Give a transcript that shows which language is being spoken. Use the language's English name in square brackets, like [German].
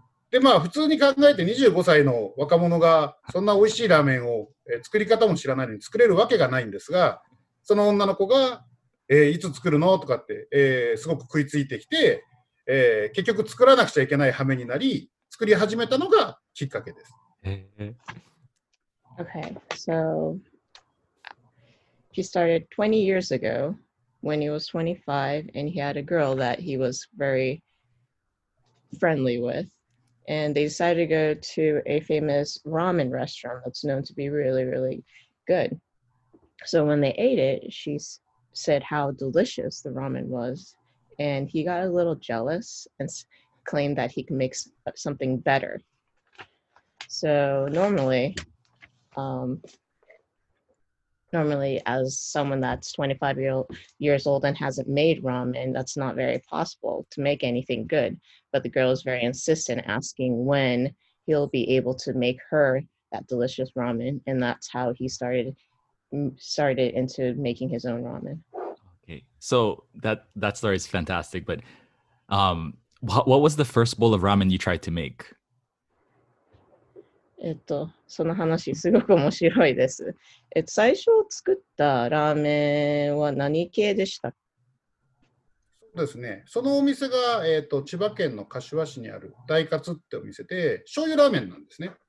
[Japanese] でまあ普通に考えて25歳の若者がそんな美味しいラーメンを作り方も知らないのに作れるわけがないんですが、その女の子が、いつ作るのとかって、すごく食いついてきて、結局作らなくちゃいけない羽目になり作り始めたのがきっかけです。 [English] Okay, so he started 20 years ago when he was 25 and he had a girl that he was very friendly with and they decided to go to a famous ramen restaurant that's known to be really really good. So when they ate it, she said how delicious the ramen was and he got a little jealous and claimed that he could make something better. So normally, normally as someone that's 25 years old and hasn't made ramen, that's not very possible to make anything good. But the girl is very insistent asking when he'll be able to make her that delicious ramen. And that's how he started into making his own ramen. Okay, so that story is fantastic, but what was the first bowl of ramen you tried to make? [Japanese] その話すごく面白いです。最初作ったラーメンは何系でした？そうですね。そのお店が、千葉県の柏市にある大勝ってお店で、醤油ラーメンなんですね。